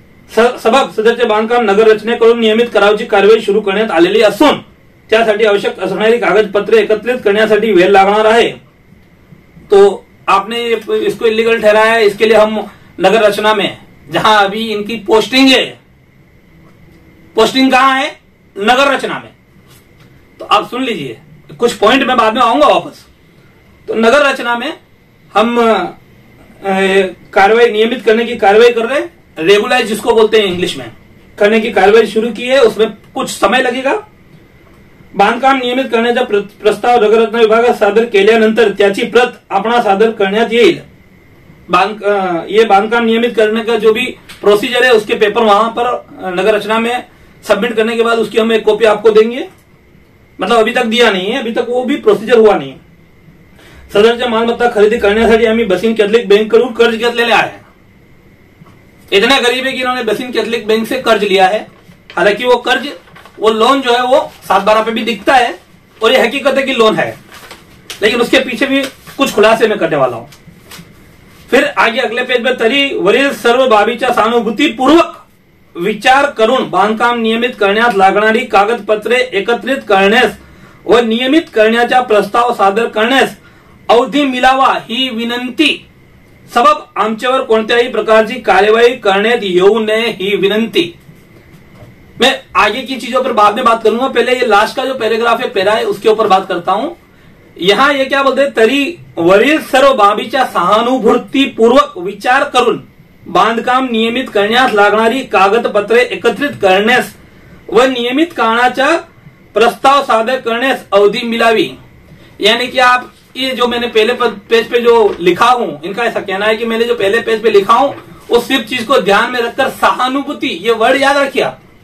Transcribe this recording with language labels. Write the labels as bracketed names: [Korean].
[Marathi] सबब सदरचे बांधकाम नगर रचनेकडून नियमित करावची कार्यवाही सुरू करण्यात आलेली असून त्यासाठी आवश्यक असणारी कागदपत्रे एकत्रित करण्यासाठी वेळ लागणार आहे। [Hindi] तो आपने इसको इलीगल ठहराया, इसके लिए हम नगर रचना में जहां अभी इनकी पोस्टिंग है, पोस्टिंग कहां है, नगर रचना में। तो आप सुन लीजिए, कुछ पॉइंट मैं बाद में आऊंगा वापस। तो नगर रचना में हम कार्रवाई नियमित करने की कार्रवाई कर रहे हैं, रेगुलाइज जिसको बोलते हैं इंग्लिश में, करने की कार्रवाई शुरू की है, उसमें कुछ समय लगेगा। [Marathi] बांधकाम नियमित करण्याचा प्रस्ताव नगर रत्न विभाग सादर केल्यानंतर त्याची प्रत आपणा सादर करण्यात येईल। [Hindi] बांधकाम नियमित करने का जो भी प्रोसिजर है उसके पेपर वहां पर नगर रचना में सबमिट करने के बाद उसकी हम एक कॉपी आपको देंगे, मतलब अभी तक दिया नहीं है, अभी तक वो भी प्रोसिजर हुआ नहीं है। [Marathi] सदरचा मालमत्ता खरेदी करण्यासाठी आम्ही बसिन कॅथलिक बँक कडून कर्ज घेतलेले आहे, [Hindi] इतना गरीब है कि इन्होंने बसिन कैथलिक बैंक से कर्ज लिया है। हालांकि वो कर्ज वो लोन जो है वो 7-12 पे भी दिखता है और ये हकीकत है कि लोन है, लेकिन उसके पीछे भी कुछ खुलासे मैं करने वाला हूं। फिर आगे अगले पेज में [Marathi] तरी वरील सर्व बाबीचा सहानुभूती पूर्वक विचार करून बांधकाम नियमित करण्यात लागणारी कागदपत्रे एकत्रित करण्यास व नियमित करण्याचा प्रस्ताव सादर करण्यास अवधी मिलावा ही विनंती, सबब आमच्यावर कोणत्याही प्रकारची कार्यवाही करण्यात येऊ नये ही विनंती। [Hindi] मैं आगे की चीजों पर बाद में बात करूंगा, पहले ये लास्ट का जो पैराग्राफ है पैरा है उसके ऊपर बात करता हूं। यहां ये क्या बोलते, [Marathi] तरी वरील सर्व बाबीचा सहानुभूति पूर्वक विचार करून बांधकाम नियमित करण्यास लागणारी कागदपत्रे एकत्रित करण्यास व नियमित कारणाचा प्रस्ताव सादर करण्यास अवधि मिलावी, [Hindi] यानी कि आप ये जो मैंने पहले पेज पे जो लिखा हूं, इनका ऐसा कहना है कि मैंने जो पहले पेज पे लिखा हूं वो सिर्फ चीज को ध्यान में रखकर सहानुभूति, ये वर्ड याद रखिया,